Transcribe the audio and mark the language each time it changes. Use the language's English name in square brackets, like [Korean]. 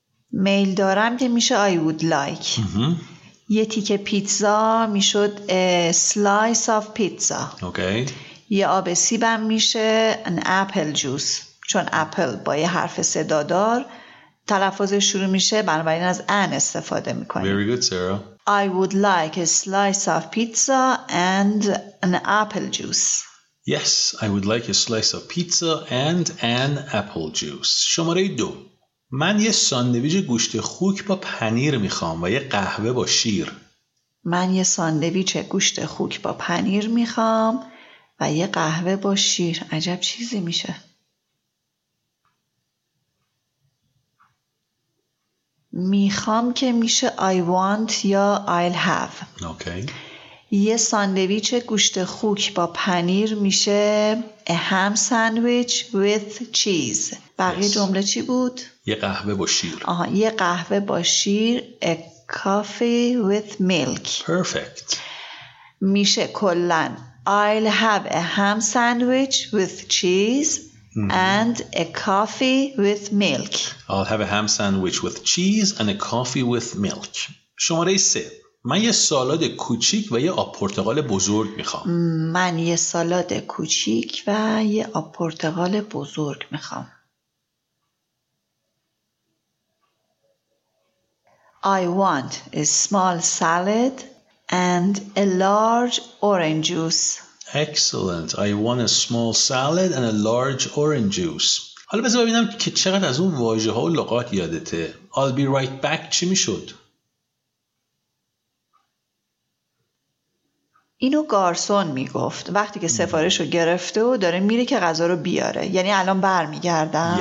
[Persian] میل دارم که میشه [English] I would like. [Persian] یه تیکه پیتزا میشد [English] a slice of pizza. [Persian] اوکی. یه آب سیبم میشه [English] an apple juice. [Persian] چون اپل با یه حرف صدادار تلفظ شروع میشه بنابراین از ان استفاده میکنیم. [English] Very good, Sarah. I would like a slice of pizza and an apple juice. Yes, I would like a slice of pizza and an apple juice. [Persian] شماره 2. من یه ساندویج گوشت خوک با پنیر میخوام و یه قهوه با شیر. من یه ساندویج گوشت خوک با پنیر میخوام و یه قهوه با شیر. عجب چیزی میشه. میخوام که میشه [English] I want [Persian] یا [English] I'll have. [Persian] اوکی. یه ساندویچ گوشت خوک با پنیر میشه [English] a ham sandwich with cheese. [Persian] بقیه [English] yes. [Persian] جمله چی بود؟ یه قهوه با شیر. آها، یه قهوه با شیر [English] a coffee with milk. Perfect. [Persian] میشه کلن [English] I'll have a ham sandwich with cheese. And a coffee with milk. I'll have a ham sandwich with cheese and a coffee with milk. [Persian] شماره 3. من یه سالاد کوچیک و یه آب پرتقال بزرگ میخوام. من یه سالاد کوچیک و یه آب پرتقال بزرگ میخوام. [English] I want a small salad and a large orange juice. Excellent. I want a small salad and a large orange juice. [Persian] حالا بذار ببینم که چقدر از اون واژه‌ها و لغات یادته. [English] I'll be right back [Persian] چی میشد؟ اینو گارسون میگفت وقتی که سفارش رو گرفته و داره میره که غذا رو بیاره. یعنی الان برمیگردم.